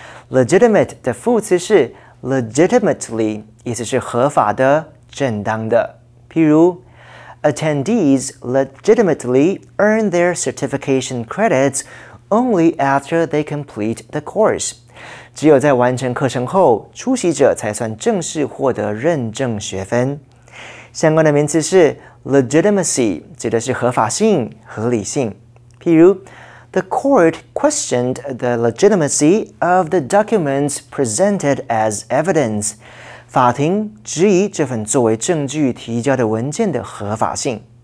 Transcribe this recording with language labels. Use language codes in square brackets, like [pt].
[zh] Legitimate 的副词是 legitimately， 意思是合法的、正当的。譬如。 [en] Attendees legitimately earn their certification credits only after they complete the course. [zh] 只有在完成课程后，出席者才算正式获得认证学分。相关的名词是 legitimacy， 指的是合法性、合理性。 [en] 譬如 ，The court questioned the legitimacy of the documents presented as evidence. [zh] 法庭质疑这份作为证据提交的文件的合法性。